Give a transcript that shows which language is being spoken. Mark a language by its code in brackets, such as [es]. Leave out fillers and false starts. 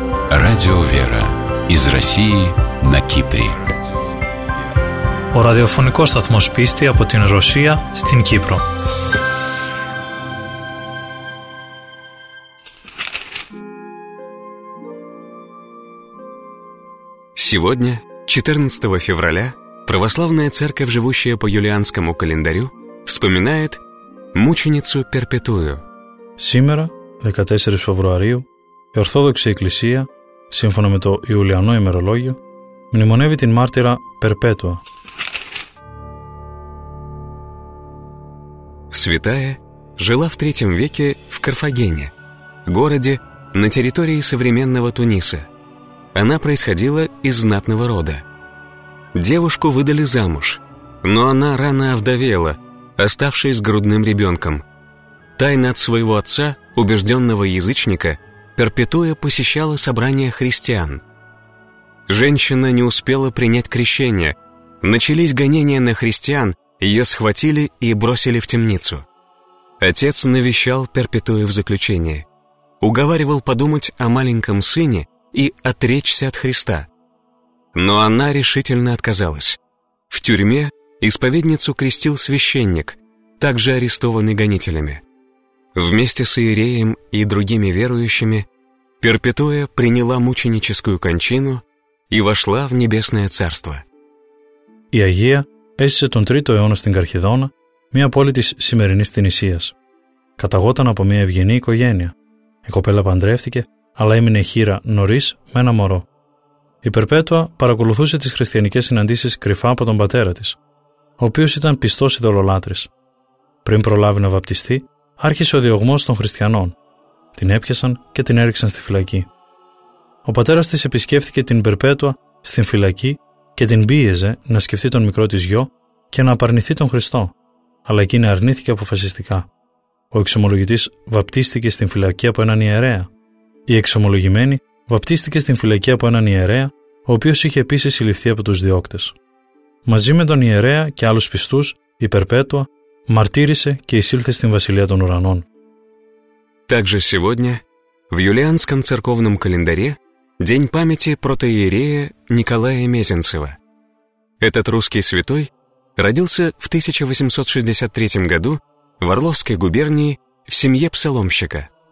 [ru] Радио «Вера» из России на Кипре. [el] Ο ραδιοφωνικός σταθμός πίστη από την Ρωσία στην Κύπρο. [ru] Сегодня, 14 февраля, Православная Церковь, живущая по юлианскому календарю, вспоминает мученицу Перпетую. Сегодня, 14 февраля, [el] Ορθόδοξη Εκκλησία, σύμφωνα με το Ιουλιανό ημερολόγιο, μνημονεύει την μάρτυρα Περπέτουα. [ru] Святая жила в III веке в Карфагене, городе на территории современного Туниса. Она происходила из знатного рода. Девушку выдали замуж, но она рано овдовела, оставшись грудным ребенком. Тайно от своего отца, убежденного язычника, Перпетуя посещала собрания христиан. Женщина не успела принять крещение. Начались гонения на христиан, ее схватили и бросили в темницу. Отец навещал Перпетую в заключение. Уговаривал подумать о маленьком сыне и отречься от Христа. Но она решительно отказалась. В тюрьме исповедницу крестил священник, также арестованный гонителями. Вместе с иереем и другими верующими Перпетуя приняла мученическую кончину и вошла в Небесное Царство. [el] Η Αγία έζησε τον 3ο αιώνα στην Καρχιδόνα, μια πόλη της σημερινής Τινησίας. Καταγόταν από μια ευγενή οικογένεια. Η κοπέλα παντρεύτηκε, αλλά έμεινε χείρα νωρίς με ένα μωρό. Η Περπέτουα παρακολουθούσε τις χριστιανικές συναντήσεις κρυφά από τον πατέρα της, ο οποίος ήταν πιστός ειδωλολάτρης. Πριν προλάβει να βαπτιστεί, άρχισε ο διωγμός των χριστιανών. Την έπιασαν και την έριξαν στη φυλακή. Ο πατέρας της επισκέφθηκε την Περπέτουα στην φυλακή και την πίεζε να σκεφτεί τον μικρό της γιο και να απαρνηθεί τον Χριστό, αλλά εκείνη αρνήθηκε αποφασιστικά. Ο εξομολογητής βαπτίστηκε στην φυλακή από έναν ιερέα. Η εξομολογημένη βαπτίστηκε στην φυλακή από έναν ιερέα, ο οποίος είχε επίσης συλληφθεί από τους διώκτες. Μαζί με τον ιερέα και άλλους πιστούς, η Περπέτουα μαρτύρησε και εισήλθε στην Βασιλεία των Ουρανών. [ru] Также сегодня, в юлианском церковном календаре, день памяти протоиерея Николая Мезенцева. Этот русский святой родился в 1863 году в Орловской губернии в семье псаломщика.